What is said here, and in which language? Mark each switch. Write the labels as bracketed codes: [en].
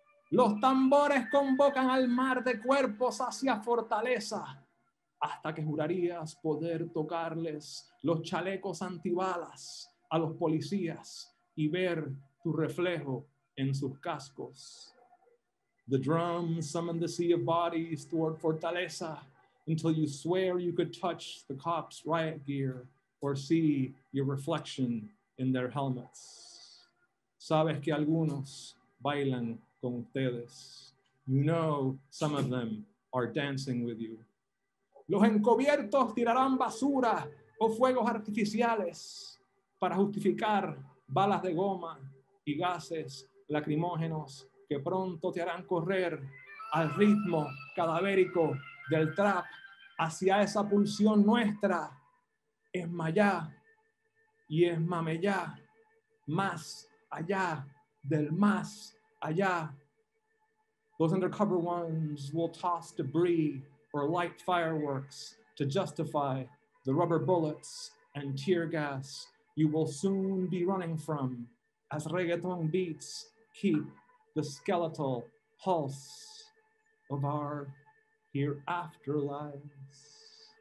[es] Los tambores convocan al mar de cuerpos hacia fortaleza, hasta que jurarías poder tocarles los chalecos antibalas a los policías y ver tu reflejo en sus cascos. [en] The drums summon the sea of bodies toward Fortaleza until you swear you could touch the cops' riot gear or see your reflection in their helmets. [es] Sabes que algunos bailan con ustedes. [en] You know some of them are dancing with you. [es] Los encubiertos tirarán basura o fuegos artificiales para justificar balas de goma y gases lacrimógenos que pronto te harán correr al ritmo cadavérico del trap hacia esa pulsión nuestra. Es mayá y es mameyá, más allá del más allá. [en] Those undercover ones will toss debris or light fireworks to justify the rubber bullets and tear gas you will soon be running from as reggaeton beats keep the skeletal pulse of our hereafter lives.